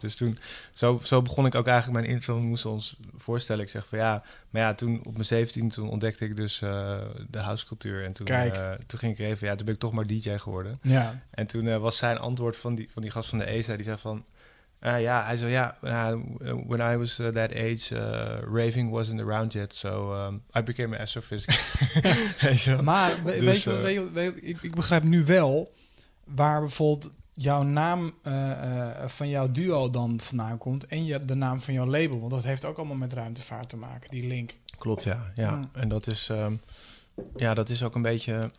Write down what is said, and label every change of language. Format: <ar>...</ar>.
<nl>Dus toen, zo begon ik ook eigenlijk mijn intro, moest ons voorstellen. Ik zeg van, ja, maar ja, toen op mijn 17, toen ontdekte ik dus de housecultuur. En toen ging ik raven, ja, toen ben ik toch maar DJ geworden. Ja. En toen was zijn antwoord van die gast van de ESA, die zei van, Ja, hij zei, ja,</nl> <en>when I was that age, raving wasn't around yet, so I became an astrophysicist.</en> <nl>Maar ik begrijp nu wel waar bijvoorbeeld jouw naam van jouw duo dan vandaan komt en je, de naam van jouw label, want dat heeft ook allemaal met ruimtevaart te maken, die link. Klopt, ja. Ja. Mm. En dat is... ja, dat is ook een beetje...</nl>